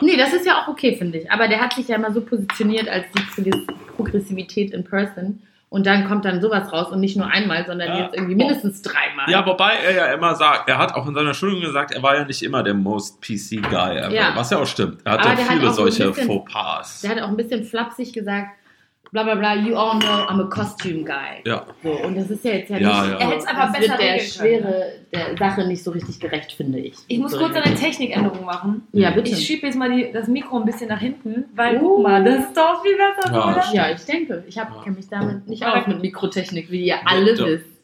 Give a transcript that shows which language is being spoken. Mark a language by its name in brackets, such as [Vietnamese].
[German] Nee, das ist ja auch okay, finde ich. Aber der hat sich ja immer so positioniert als die Progressivität in person. Und dann kommt dann sowas raus und nicht nur einmal, sondern jetzt irgendwie mindestens 3 Mal. Ja, wobei er ja immer sagt, er hat auch in seiner Schulung gesagt, er war ja nicht immer der [English] most PC-Guy. [German] Ja. Was ja auch stimmt. Er hatte viele solche Fauxpas. Der hat auch ein bisschen flapsig gesagt, [English] bla bla bla, you all know I'm a costume guy. [German] Ja. So, und das ist ja jetzt ja nicht. Ja, ja. Er hätte es einfach besser der Schwere der Sache nicht so richtig gerecht, finde ich. Ich muss kurz eine Technikänderung machen. Ja, bitte. Ich schiebe jetzt mal das Mikro ein bisschen nach hinten, weil guck mal, das ist doch viel besser. Ja, ja, ich denke. Ich kenne mich damit nicht aus mit Mikrotechnik, wie ihr alle wisst.